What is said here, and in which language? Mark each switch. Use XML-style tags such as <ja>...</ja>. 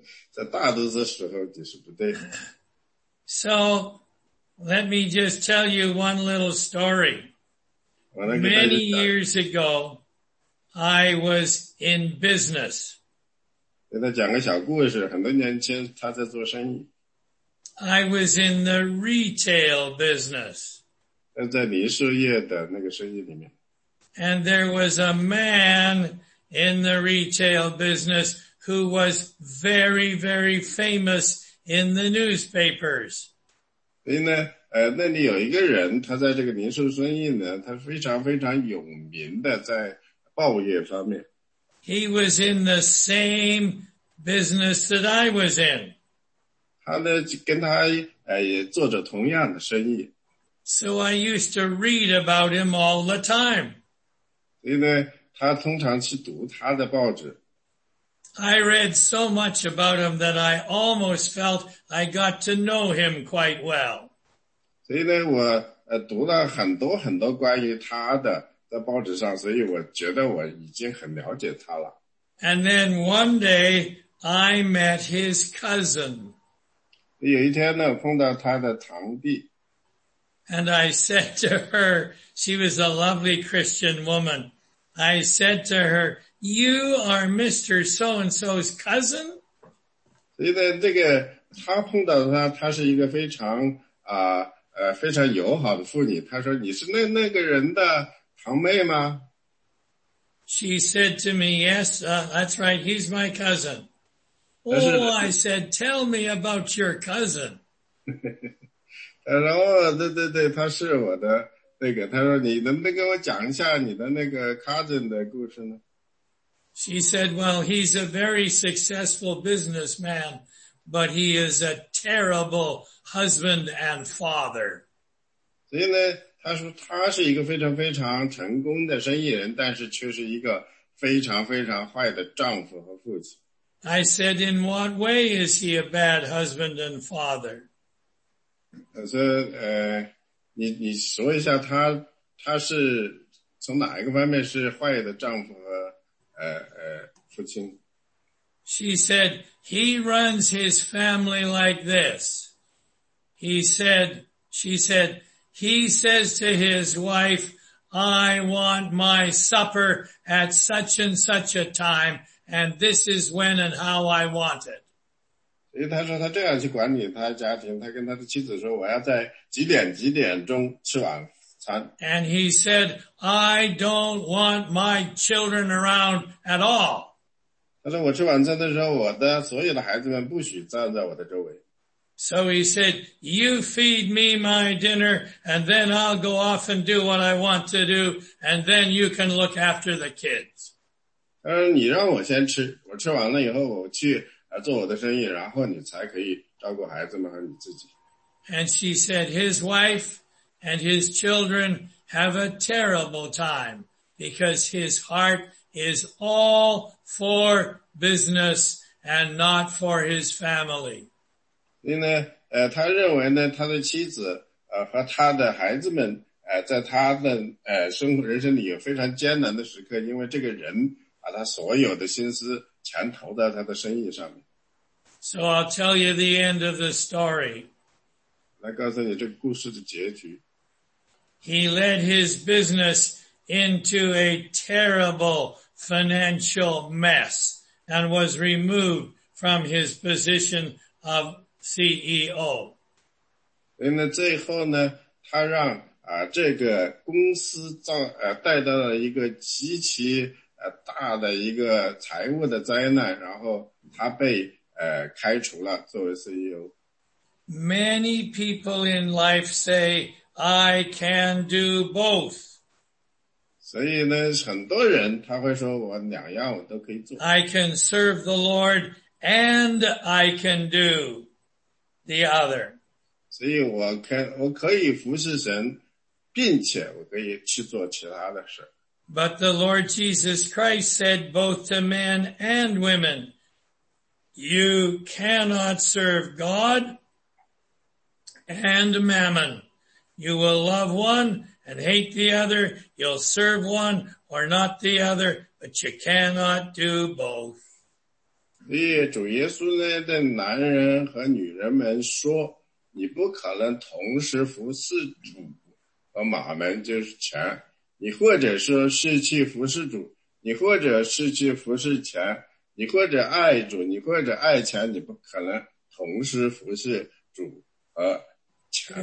<zh>在大多数时候就是不对。</zh> <en>So, let me just tell you one little story. Many years ago, I was in business.</en> <zh>给他讲个小故事，很多年前他在做生意。</zh> <en>I was in the retail business.</en> <zh>在零售业的那个生意里面。</zh> <en>And there was a man... in the retail business, who was very, very famous in the newspapers.</en> <zh>所以呢，那里有一个人，他在这个零售生意呢，他非常非常有名的，在报业方面。</zh> <en>He was in the same business that I was in.</en> <zh>他呢，跟他也做着同样的生意。</zh> <en>So I used to read about him all the time.</en> <zh>所以呢。他通常去读他的报纸。</zh> <en>I read so much about him that I almost felt I got to know him quite well.</en> <zh>所以呢，我读了很多很多关于他的在报纸上，所以我觉得我已经很了解他了。</zh> <en>And then one day I met his cousin.</en> <zh>有一天呢，碰到他的堂弟。</zh> <en>And I said to her, she was a lovely Christian woman. I said to her, you are Mr. So-and-so's cousin?</en> <zh>所以呢，这个他碰到他，他是一个非常非常友好的妇女。他说，你是那个人的堂妹吗？</zh> <en>She said to me, yes, that's right, he's my cousin. Oh, I said, tell me about your cousin.</en> <zh>他说，哦，对，他是我的。那个，他说你能不能给我讲一下你的那个 cousin 的故事呢？</zh> <en>She said, well, he's a very successful businessman, but he is a terrible husband and father.</en> <zh>所以呢，他说他是一个非常非常成功的生意人，但是却是一个非常非常坏的丈夫和父亲。</zh> <en>I said, in what way is he a bad husband and father?</en> <zh>他说，你说一下他是从哪一个方面是坏的丈夫和父亲。</zh> <en>She said, he runs his family like this. She said, he says to his wife, I want my supper at such and such a time, and this is when and how I want it.</en> <zh>所以他说他这样去管理他家庭，他跟他的妻子说，我要在几点几点钟吃晚餐。</zh> <en>And he said, I don't want my children around at all.</en> <zh>他说我吃晚餐的时候，我的所有的孩子们不许站在我的周围。</zh> <en>So he said, you feed me my dinner, and then I'll go off and do what I want to do, and then you can look after the kids.</en> <zh>他说你让我先吃，我吃完了以后我去做我的生意，然后你才可以照顾孩子们和你自己。</zh> <en>And she said, his wife and his children have a terrible time, because his heart is all for business and not for his family.</en> <zh>所以呢，他认为呢，他的妻子和他的孩子们在他的生活人生里有非常艰难的时刻，因为这个人把他所有的心思全投在他的生意上面。</zh> <en>So I'll tell you the end of the story.</en> <zh>来告诉你这个故事的结局。</zh> <en>He led his business into a terrible financial mess and was removed from his position of CEO.</en> <zh>所以呢，最后呢，他让这个公司带到了一个极其大的一个财务的灾难，然后他被开除了作为 CEO.</zh> <en>Many people in life say, I can do both.</en> <zh>所以呢，很多人他会说我两样我都可以做。</zh> <en>I can serve the Lord and I can do. The other.</en> <zh>所以我可以服侍神，并且我可以去做其他的事。</zh> <en>But the Lord Jesus Christ said both to men and women, you cannot serve God and mammon. You will love one and hate the other. You'll serve one or not the other, but you cannot do both.</en> <zh>所以主耶稣呢的男人和女人们说，你不可能同时服侍主和马门，就是钱。你或者说是去服侍主，你或者是去服侍钱，你或者爱主，你或者爱钱，你不可能同时服侍主和钱。</zh>